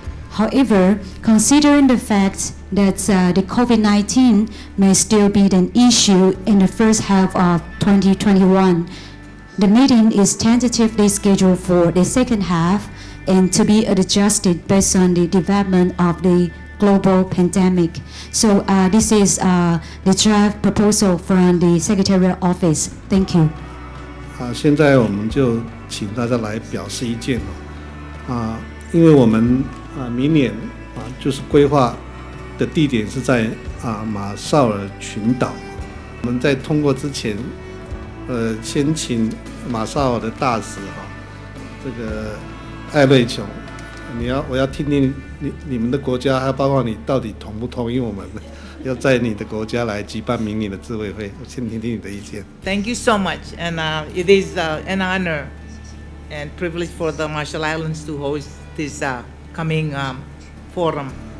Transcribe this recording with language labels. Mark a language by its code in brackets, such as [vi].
[en] However, considering the fact that the COVID-19 may still be an issue in the first half of 2021, the meeting is tentatively scheduled for the second half and to be adjusted based on the development of the global pandemic. So this is the draft proposal from the Secretarial Office. Thank you. [zh] 现在我们就请大家来表示意见，因为我们明年就是规划的地点是在马绍尔群岛。我们在通过之前，先请马绍尔的大使这个艾瑞琼，我要听听你们的国家，还有包括你到底同不同意我们要在你的国家来举办明年的执委会。我先听听你的意见。 [en] Thank you so much, and it is an honor. and privilege for the Marshall Islands to host this coming forum.